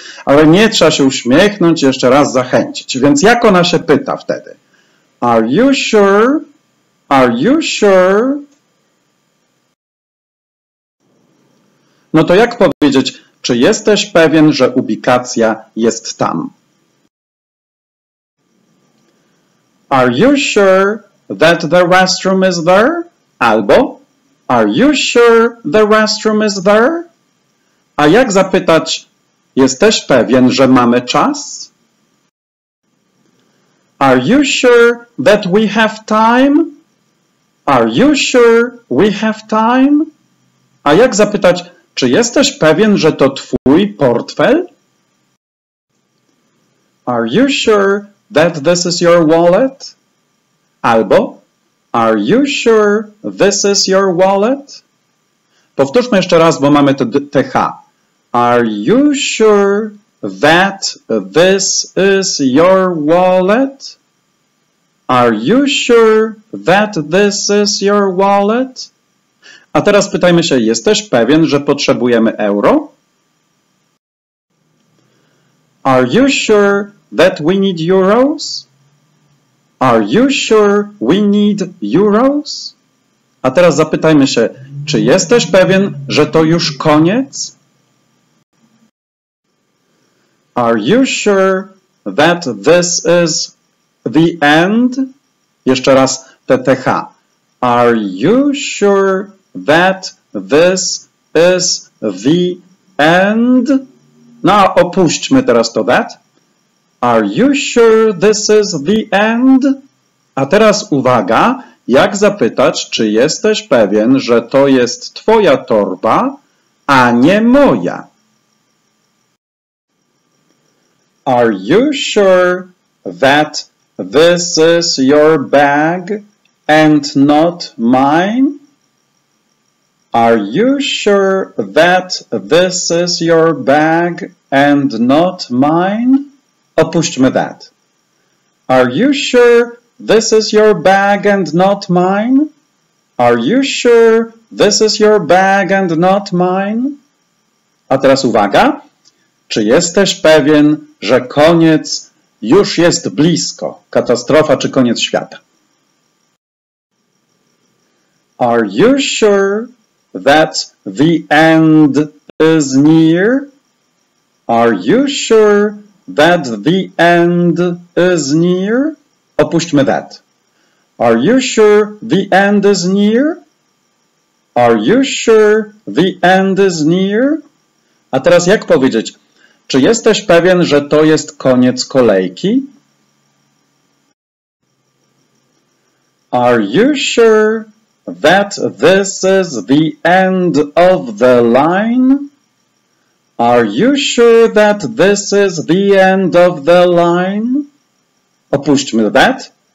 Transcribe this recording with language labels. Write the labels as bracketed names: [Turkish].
[Polish] Ale nie trzeba się uśmiechnąć, jeszcze raz zachęcić. Więc jak ona się pyta wtedy? [English] Are you sure? Are you sure? [Polish] No to jak powiedzieć, czy jesteś pewien, że ubikacja jest tam? [English] Are you sure that the restroom is there? Albo are you sure the restroom is there? [Polish] A jak zapytać, jesteś pewien, że mamy czas? [English] Are you sure that we have time? Are you sure we have time? [Polish] A jak zapytać, czy jesteś pewien, że to twój portfel? [English] Are you sure that this is your wallet? Albo are you sure this is your wallet? [Polish] Powtórzmy jeszcze raz, bo mamy te TH. [English] Are you sure that this is your wallet? Are you sure that this is your wallet? [Polish] A teraz pytajmy się, jesteś pewien, że potrzebujemy euro? [English] Are you sure that we need euros? Are you sure we need euros? [Polish] A teraz zapytajmy się, czy jesteś pewien, że to już koniec? [English] Are you sure that this is the end? [Polish] Jeszcze raz TTH. [English] Are you sure that this is the end? [Polish] No, opuśćmy teraz to [English] that. Are you sure this is the end? [Polish] A teraz uwaga, jak zapytać, czy jesteś pewien, że to jest twoja torba, a nie moja? [English] Are you sure that this is your bag and not mine? Are you sure that this is your bag and not mine? [Polish] Opuśćmy that. [English] Are you sure this is your bag and not mine? Are you sure this is your bag and not mine? [Polish] A teraz uwaga. Czy jesteś pewien, że koniec już jest blisko? Katastrofa czy koniec świata? [English] Are you sure that the end is near? Are you sure that the end is near? Opuśćmy that. Are you sure the end is near? Are you sure the end is near? [Polish] A teraz jak powiedzieć? Czy jesteś pewien, że to jest koniec kolejki? [English] Are you sure that this is the end of the line? Are you sure that this is the end of the line? [Polish] Opuśćmy that.